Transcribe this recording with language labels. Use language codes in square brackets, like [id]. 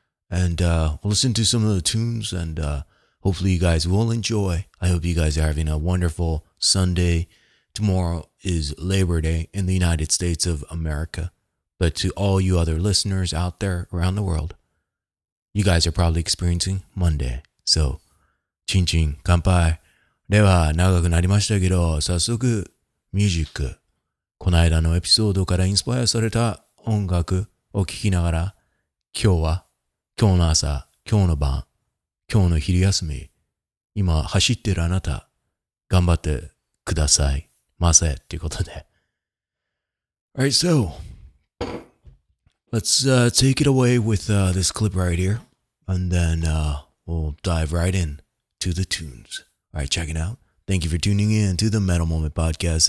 [en] And we'll listen to some of the tunes and hopefully you guys will enjoy. I hope you guys are having a wonderful Sunday. Tomorrow is Labor Day in the United States of America. But to all you other listeners out there around the world, you guys are probably experiencing Monday. So, chin chin, kanpai. [ja] では長くなりましたけど、早速ミュージック、この間のエピソードからインスパイアされた音楽を聴きながら、今日は今日の朝、今日の晩、今日の昼休み、今走ってるあなた、頑張ってください、ませ、ということで。 [en] Alright, so, let's take it away with this clip right here, and then we'll dive right in to the tunes. Alright, check it out. Thank you for tuning in to the Metal Moment Podcast.